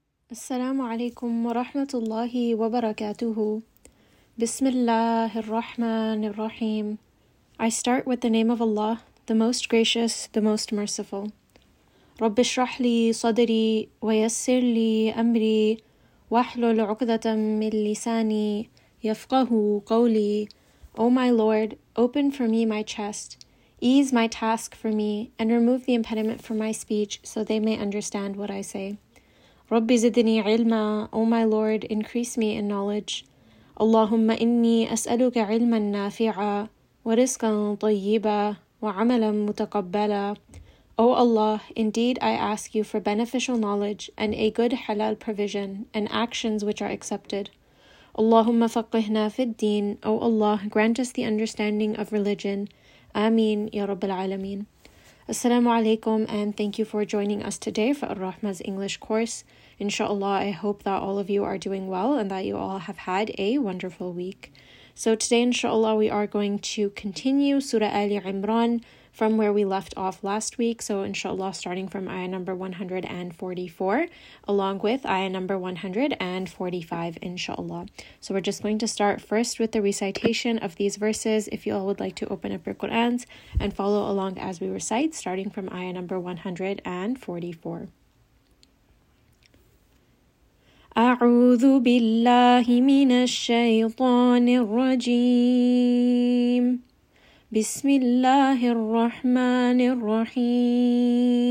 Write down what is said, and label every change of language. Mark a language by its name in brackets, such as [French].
[Arabic] السلام عليكم ورحمة الله وبركاته. بسم الله الرحمن الرحيم. [English] I start with the name of Allah, the Most Gracious, the Most Merciful. [Arabic] رب اشرح لي صدري ويسر لي أمري واحلل عقدة من لساني يفقه قولي. [English] O my Lord, open for me my chest, ease my task for me, and remove the impediment from my speech so they may understand what I say. [Arabic] رب زدني علما. [English] O my Lord, increase me in knowledge. [Arabic] اللهم إني أسألك علما نافعا ورزقا طيبا وعملا متقبلا. [English] O Allah, indeed I ask you for beneficial knowledge and a good halal provision and actions which are accepted. [Arabic] اللهم فقهنا في الدين. [English] O Allah, grant us the understanding of religion. [Arabic] آمين يا رب العالمين. [English] Assalamu alaikum and thank you for joining us today for Ar-Rahma's English course. Inshallah, I hope that all of you are doing well and that you all have had a wonderful week. So today, inshallah, we are going to continue Surah Ali Imran from where we left off last week. So inshallah, starting from ayah number 144, along with ayah number 145, inshallah. So we're just going to start first with the recitation of these verses. If you all would like to open up your Qur'ans and follow along as we recite, starting from ayah number 144. [Arabic] أعوذ بالله من الشيطان الرجيم بسم الله الرحمن الرحيم